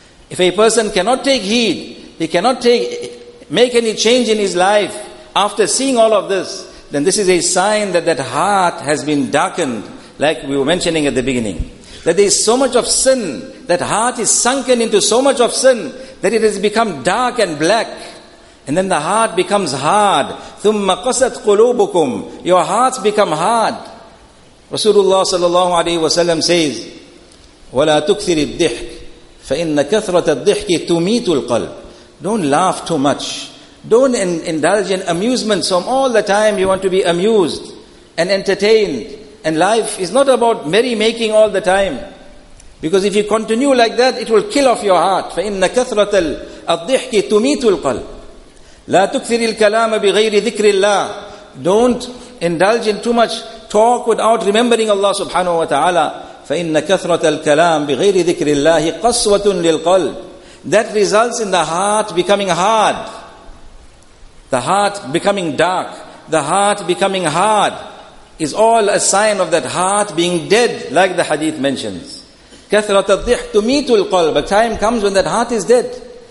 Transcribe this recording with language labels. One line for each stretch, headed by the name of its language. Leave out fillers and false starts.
English: If a person cannot take heed, he cannot make any change in his life after seeing all of this, then this is a sign that heart has been darkened, like we were mentioning at the beginning. That there is so much of sin, that heart is sunken into so much of sin, that it has become dark and black. And then the heart becomes hard.
Arabic: ثُمَّ قَسَتْ قُلُوبُكُمْ.
English: Your hearts become hard. Rasulullah sallallahu alayhi wa sallam says,
Arabic: وَلَا تُكْثِرِ الضِّحْكِ فَإِنَّ كَثْرَةَ الضِّحْكِ تُمِيتُ الْقَلْبِ.
English: Don't laugh too much. Don't indulge in amusement. So all the time you want to be amused and entertained. And life is not about merrymaking all the time. Because if you continue like that, it will kill off your heart.
Arabic: فَإِنَّ كَثْرَةَ الضِّحْكِ تُمِيتُ الْقَلْبِ. لا تكثر الكلام بغير ذكر الله.
English: Don't indulge in too much talk without remembering Allah subhanahu wa ta'ala.
Arabic: فإن كثرة الكلام بغير ذكر الله قسوة للقلب.
English: That results in the heart becoming hard. The heart becoming dark. The heart becoming hard is all a sign of that heart being dead, like the hadith mentions.
Arabic: كثرة الضحك تميت القلب.
English: A time comes when that heart is dead.